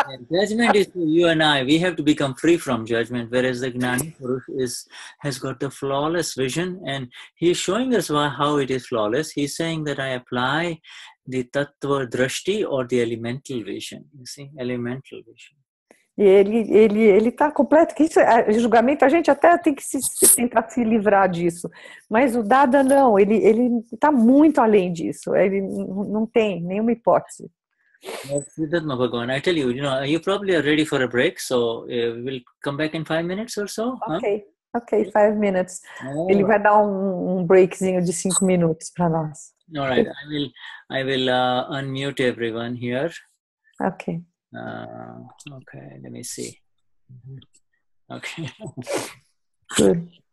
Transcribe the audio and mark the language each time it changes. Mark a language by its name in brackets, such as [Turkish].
[English] Judgment is for you and I. We have to become free from judgment. Whereas the Gnani Purush has got the flawless vision, and he's showing us how it is flawless. He's saying that I apply the tatvadrashti or the elemental vision. You see, elemental vision. [Portuguese] E ele está completo, que isso é julgamento, a gente até tem que se tentar se livrar disso. Mas o Dada não, ele está muito além disso, ele não tem nenhuma hipótese. [English] Vishuddhatma Bhagavan, I tell you, you know, you probably are ready for a break, so we'll come back in 5 minutes or so. Huh? Ok, 5 minutes. Oh. [Portuguese] Ele vai dar um breakzinho de 5 minutos para nós. [English] All right, I will unmute everyone here. Ok. Okay, let me see. Okay. Good.